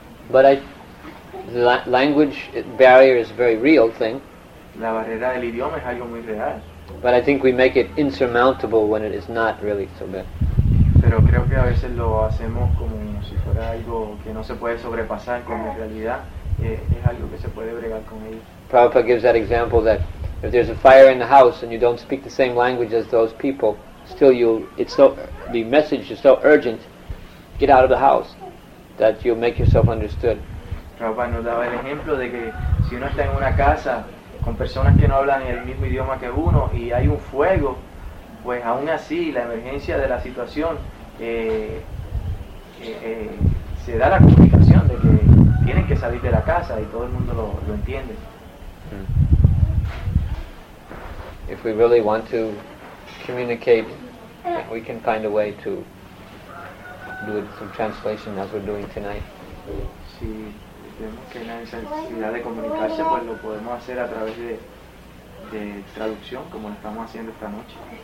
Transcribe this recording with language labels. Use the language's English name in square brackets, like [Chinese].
[English] But the language barrier is a very real thing. [Spanish] La barrera del idioma es algo muy real. [English] But I think we make it insurmountable when it is not really so bad. [Spanish] Pero creo que a veces lo hacemos como si fuera algo que no se puede sobrepasar con la realidad. Es algo que se puede bregar con ello. [English] Prabhupada gives that example that if there's a fire in the house and you don't speak the same language as those people, still the message is so urgent, get out of the house, that you'll make yourself understood. [Spanish] Prabhupada nos daba el ejemplo de que si uno está en una casa con personas que no hablan el mismo idioma que uno y hay un fuego, pues aún así la emergencia de la situación se da la comunicación de que tienen que salir de la casa y todo el mundo lo entiende. [English] If we really want to communicate, we can find a way to do it through translation as we're doing tonight. [Spanish] Si tenemos que la necesidad de comunicarse, pues lo podemos hacer a través de traducción, como lo estamos haciendo esta noche.